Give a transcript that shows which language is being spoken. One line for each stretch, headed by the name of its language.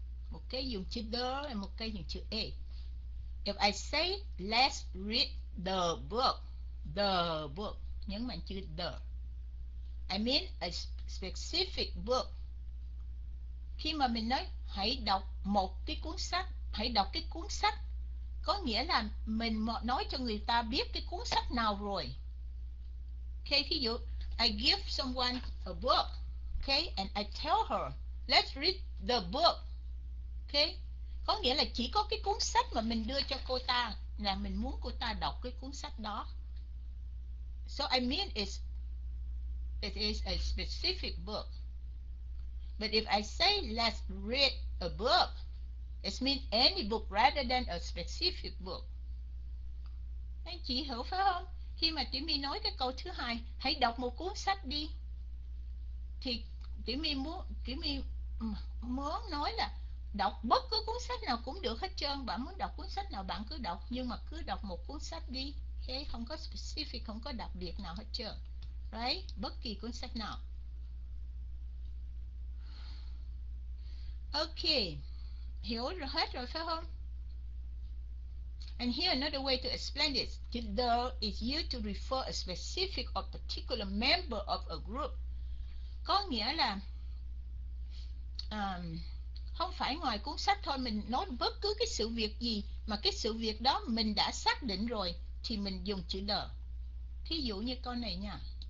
Vietnamese: Một cái dùng chữ the và một cái dùng chữ a.
English: If I say let's read the book,
Vietnamese: nhấn mạnh chữ the.
English: I mean a specific book.
Vietnamese: Khi mà mình nói hãy đọc một cái cuốn sách, hãy đọc cái cuốn sách, có nghĩa là mình nói cho người ta biết cái cuốn sách nào rồi.
English: Okay,
Vietnamese: thí dụ,
English: I give someone a book, okay, and I tell her, let's read the book. Okay.
Vietnamese: Có nghĩa là chỉ có cái cuốn sách mà mình đưa cho cô ta là mình muốn cô ta đọc cái cuốn sách đó.
English: So I mean it is a specific book. But if I say let's read a book, it means any book rather than a specific book.
Vietnamese: Anh chị hiểu phải không? Khi mà Tiểu My nói cái câu thứ hai, hãy đọc một cuốn sách đi. Thì Tiểu My muốn nói là đọc bất cứ cuốn sách nào cũng được hết trơn, bạn muốn đọc cuốn sách nào bạn cứ đọc, nhưng mà cứ đọc một cuốn sách đi, okay? Không có specific, không có đặc biệt nào hết trơn, right? Bất kỳ cuốn sách nào. Ok, hiểu rồi, hết rồi phải không?
English: And here another way to explain this, though, is used to refer a specific or particular member of a group.
Vietnamese: Có nghĩa là không phải ngoài cuốn sách thôi, mình nói bất cứ cái sự việc gì mà cái sự việc đó mình đã xác định rồi thì mình dùng chữ the. Thí dụ như câu này nha.